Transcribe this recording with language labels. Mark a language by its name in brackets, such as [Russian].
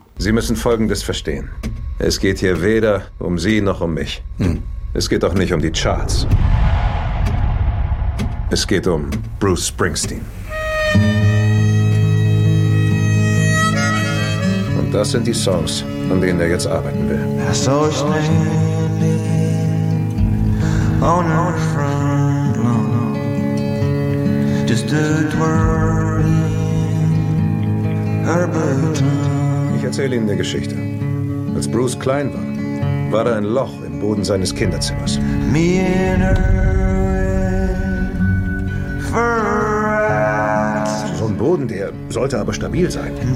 [German] Sie müssen Folgendes verstehen. Es geht hier weder um Sie noch um mich. Es geht auch nicht um die Charts. Es geht um Bruce Springsteen. Und das sind die Songs, an denen er jetzt arbeiten will. [English] I saw her standing on our front lawn. Just a twirling. [German] Ich erzähle Ihnen eine Geschichte. Als Bruce klein war, war da ein Loch im Boden seines Kinderzimmers. So ein Boden, der sollte aber stabil sein.